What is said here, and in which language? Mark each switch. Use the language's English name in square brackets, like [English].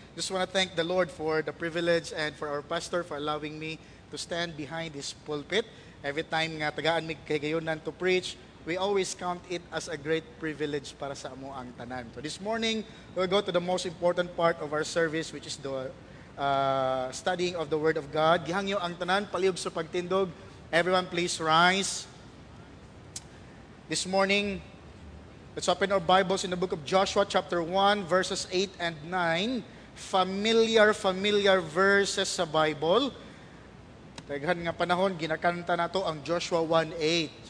[English] Just want to thank the Lord for the privilege and for our pastor for allowing me to stand behind this pulpit. Every time [Cebuano] nga tagaan mig kay gayunan [English] to preach, we always count it as a great privilege [Cebuano] para sa amo ang tanan. [English] So this morning, we'll go to the most important part of our service, which is the studying of the Word of God. [Cebuano] Gihangyo ang tanan, paliog sa pagtindog. [English] Everyone please rise. This morning, let's open our Bibles in the book of Joshua chapter 1, verses 8 and 9. Familiar verses sa Bible. [Cebuano] Taghan nga panahon, ginakanta na to ang Joshua 1:8.